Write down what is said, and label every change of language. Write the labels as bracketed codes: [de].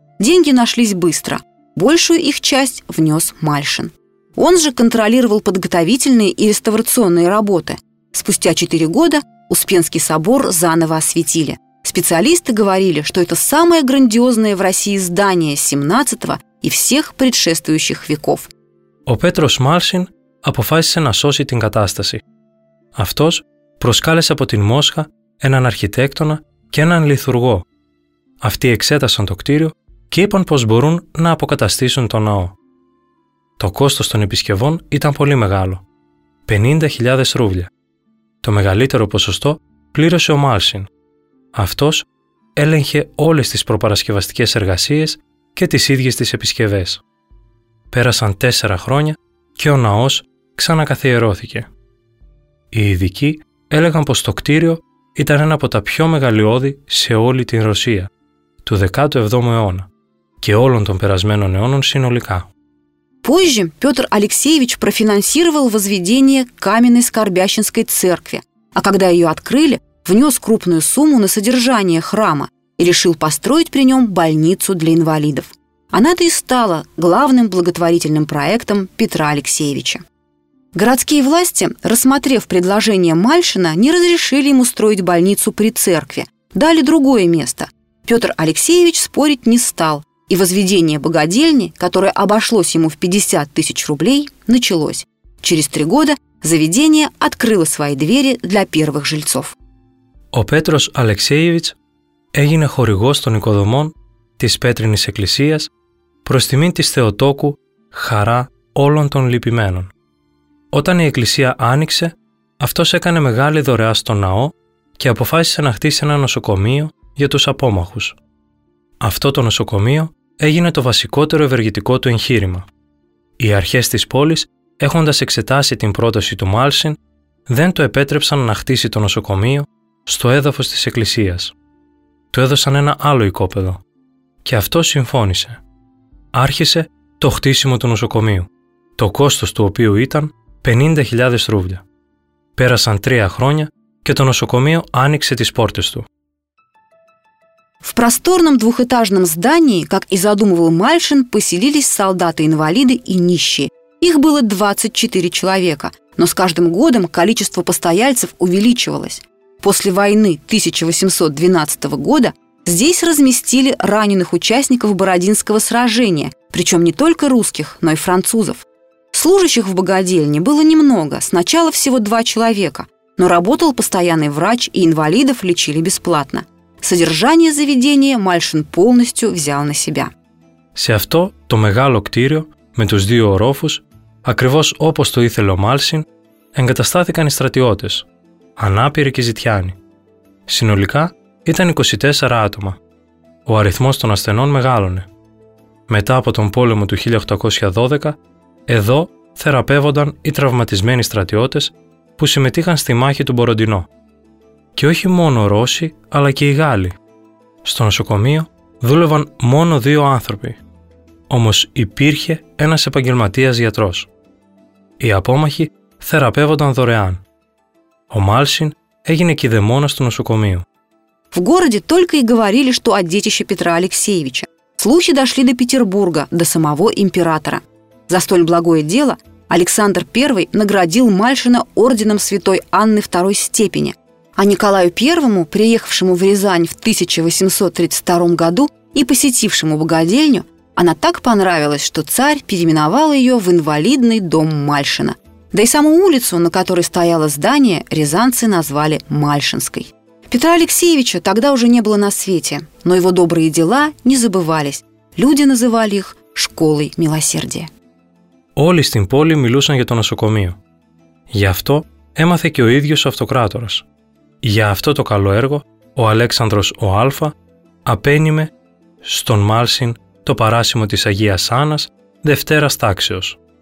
[ru] Деньги нашлись быстро. Большую их часть внес Мальшин. Он же контролировал подготовительные и реставрационные работы. Спустя 4 года Успенский собор заново осветили. Специалисты говорили, что это самое грандиозное в России здание 17-го и всех предшествующих веков. [el] Ο Πέτρος Μάλσιν αποφάσισε να σώσει την κατάσταση. Αυτός προσκάλεσε από την Μόσχα έναν αρχιτέκτονα και έναν λιθουργό. Αυτοί εξέτασαν το κτίριο και είπαν πως μπορούν να αποκαταστήσουν το ναό. Το κόστος των επισκευών ήταν πολύ μεγάλο, 50.000 ρούβλια. Το μεγαλύτερο ποσοστό πλήρωσε ο Μάλσιν. Αυτός έλεγχε όλες τις προπαρασκευαστικές εργασίες και τις ίδιες τις επισκευές. Πέρασαν 4 χρόνια και ο ναός ξανακαθιερώθηκε. Οι ειδικοί έλεγαν πως το κτίριο ήταν ένα από τα πιο μεγαλειώδη σε όλη την Ρωσία, του 17ου αιώνα και όλων των περασμένων αιώνων συνολικά. [ru] Позже Петр Алексеевич профинансировал возведение каменной Скорбященской церкви, а когда ее открыли, внес крупную сумму на содержание храма и решил построить при нем больницу для инвалидов. Она-то и стала главным благотворительным проектом Петра Алексеевича. Городские власти, рассмотрев предложение Мальшина, не разрешили ему строить больницу при церкви, дали другое место. Петр Алексеевич спорить не стал, и возведение богадельни, которое обошлось ему в 50 тысяч рублей, началось. Через три года заведение открыло свои двери для первых жильцов. [el] Ο Πέτρος Αλεξέιβιτς έγινε χορηγός των οικοδομών της Πέτρινης Εκκλησίας προς τιμή της Θεοτόκου χαρά όλων των λυπημένων. Όταν η εκκλησία άνοιξε, αυτός έκανε μεγάλη δωρεά στο ναό και αποφάσισε να χτίσει ένα νοσοκομείο για τους απόμαχους. Αυτό το νοσοκομείο έγινε το βασικότερο ευεργετικό του εγχείρημα. Οι αρχές της πόλης, έχοντας εξετάσει την πρόταση του Μάλσιν, δεν το επέτρεψαν να χτίσει το νοσοκομείο στο έδαφος της εκκλησίας. Του έδωσαν ένα άλλο οικόπεδο και αυτό συμφώνησε. Άρχισε το χτίσιμο του νοσοκομείου, το κόστος του οποίου ήταν 50.000 ρούβλια. Πέρασαν τρία χρόνια και το νοσοκομείο άνοιξε τις πόρτες του. [ru] В просторном двухэтажном здании, как и задумывал Мальшин, поселились солдаты-инвалиды и нищие. Их было 24 человека, но с каждым годом количество постояльцев увеличивалось. После войны 1812 года здесь разместили раненых участников Бородинского сражения, причем не только русских, но и французов. Служащих в богадельне было немного, сначала всего два человека, но работал постоянный врач, и инвалидов лечили бесплатно. Содержание заведения Мальшин полностью взял на себя. [el] Σε αυτό το μεγάλο κτίριο με τους δύο ορόφους, ακριβώς όπως το ήθελε ο Μάλσιν, εγκαταστάθηκαν οι στρατιώτες, ανάπηροι και ζητιάνοι. Συνολικά ήταν 24 άτομα. Ο αριθμός των ασθενών μεγάλωνε. Μετά από τον πόλεμο του 1812, εδώ θεραπεύονταν οι τραυματισμένοι στρατιώτες που συμμετείχαν στη μάχη του Μποροντινό. Και όχι μόνο Ρώσοι, αλλά και οι Γάλλοι. Στο νοσοκομείο δούλευαν μόνο δύο άνθρωποι. Όμως υπήρχε ένας επαγγελματίας γιατρός. Οι απόμαχοι θεραπεύονταν δωρεάν. Ο Μάλσιν έγινε κηδεμόνας του νοσοκομείου. [ru] В городе только и говорили, что о детище Петра Алексеевича. Слухи дошли до Петербурга, до самого императора. За столь благое дело Александр I наградил Мальшина орденом Святой Анны II степени. А Николаю I, приехавшему в Рязань в 1832 году и посетившему богадельню, она так понравилась, что царь переименовал ее в инвалидный дом Мальшина. Да и саму улицу, на которой стояло здание, рязанцы назвали Мальшинской. Петра Алексеевича тогда уже не было на свете, но его добрые дела не забывались. Люди называли их «школой милосердия». [el] Όλοι στην πόλη μιλούσαν για το νοσοκομείο. Γι' αυτό έμαθε και ο ίδιος ο αυτοκράτορας. Για αυτό το καλό έργο, ο Αλέξανδρος ο Άλφα απένιμε στον Μάλσιν το παράσημο της Αγίας Άννας δευτέρας τάξεως.